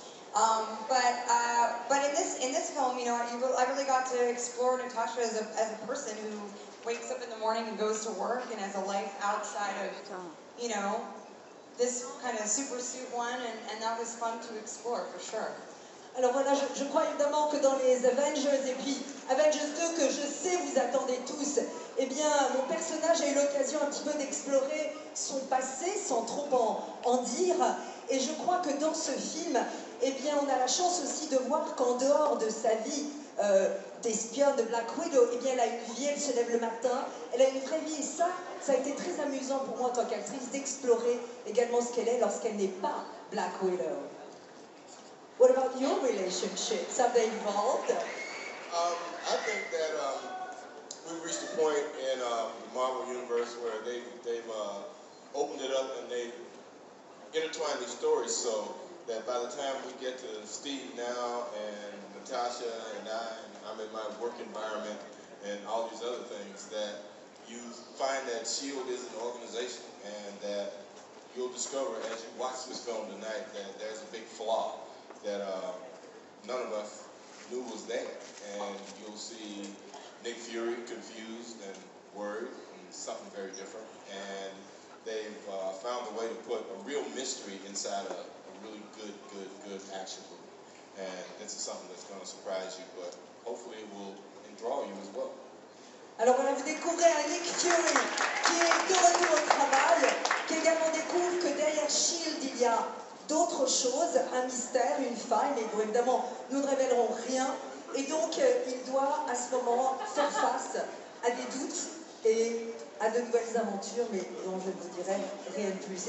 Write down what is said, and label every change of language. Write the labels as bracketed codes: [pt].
[en] But in this film, you know, I really got to explore Natasha as a person who wakes up in the morning and goes to work and has a life outside of, you know, this kind of super suit one, and that was fun to explore for sure. [fr] Alors voilà, je crois évidemment que dans les Avengers et puis Avengers 2 que je sais vous attendez tous, eh bien mon personnage a eu l'occasion un petit peu d'explorer son passé sans trop en dire, et je crois que dans ce film, eh bien on a la chance aussi de voir qu'en dehors de sa vie d'espionne de Black Widow, eh bien elle a une vie, elle se lève le matin, elle a une vraie vie, et ça a été très amusant pour moi en tant qu'actrice d'explorer également ce qu'elle est lorsqu'elle n'est pas Black Widow. [en] What about your relationships? Have they evolved? I think that we've reached a point in the Marvel Universe where they've opened it up and they've intertwined these stories so that by the time we get to Steve now and Natasha and I, and I'm in my work environment and all these other things, that you find that S.H.I.E.L.D. is an organization, and that you'll discover as you watch this film tonight that there's a big flaw that none of us knew was there. And you'll see Nick Fury confused and worried and something very different. And they've found a way to put a real mystery inside a really good, good, good action movie. And this is something that's gonna surprise you, but hopefully it will enthrall you as well. [fr] Alors voilà, vous découvrez un Nick Fury qui est de retour au travail, qui également découvre que derrière S.H.I.E.L.D. il y a d'autres choses, un mystère, une faille, mais bon, évidemment, nous ne révélerons rien. Et donc, il doit, à ce moment, faire face à des doutes et à de nouvelles aventures, mais dont je ne vous dirai rien de plus.